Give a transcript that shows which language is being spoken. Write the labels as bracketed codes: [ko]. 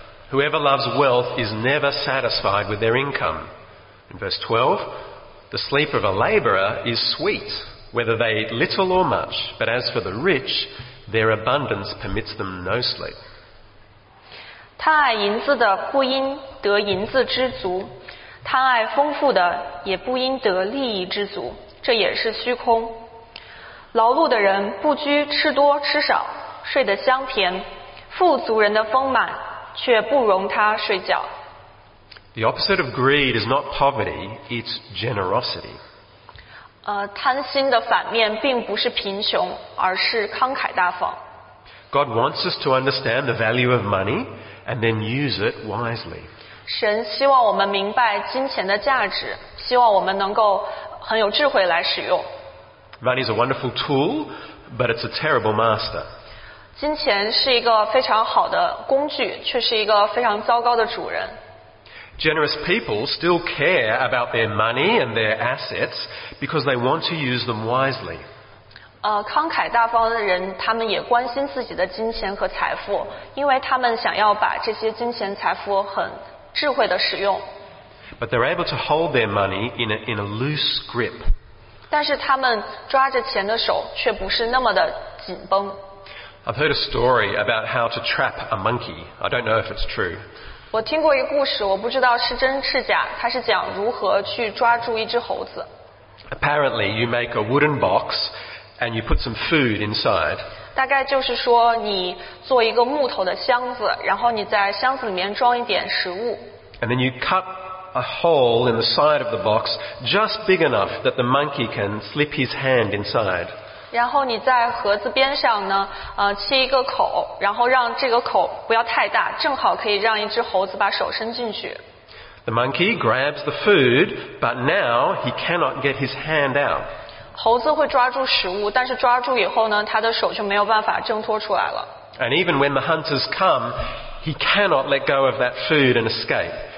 [en] Whoever loves wealth is never satisfied with their income. In verse 12, the sleep of a laborer is sweet, whether they eat little or much, but as for the rich, their abundance permits them no sleep. [zh] 贪爱银子的不应得银子知足，贪爱丰富的也不应得利益知足，这也是虚空。劳碌的人不拘吃多吃少，睡得香甜，富足人的丰满。 [en] The opposite of greed is not poverty, it's generosity. [zh] 贪心的反面并不是贫穷，而是慷慨大方。 [en] God wants us to understand the value of money and then use it wisely. [zh] 神希望我们明白金钱的价值，希望我们能够很有智慧来使用。 [en] Money is a wonderful tool, but it's a terrible master. [zh] 金钱是一个非常好的工具，却是一个非常糟糕的主人。 [en] Generous people still care about their money and their assets because they want to use them wisely. [zh] 慷慨大方的人，他们也关心自己的金钱和财富，因为他们想要把这些金钱财富很智慧的使用。 [en] But they're able to hold their money in a loose grip. [zh] 但是他们抓着钱的手却不是那么的紧绷。 [en] I've heard a story about how to trap a monkey. I don't know if it's true. [zh] 我听过一个故事，我不知道是真是假。它是讲如何去抓住一只猴子。 [en] Apparently, you make a wooden box and you put some food inside. [zh] 大概就是说，你做一个木头的箱子，然后你在箱子里面装一点食物。 [en] And then you cut a hole in the side of the box just big enough that the monkey can slip his hand inside. [zh] 然后你在盒子边上呢，切一个口，然后让这个口不要太大，正好可以让一只猴子把手伸进去。 [en] The monkey grabs the food, but now he cannot get his hand out. [zh] 猴子会抓住食物，但是抓住以后呢，他的手就没有办法挣脱出来了。 [en] And even when the hunters come, he cannot let go of that food and escape.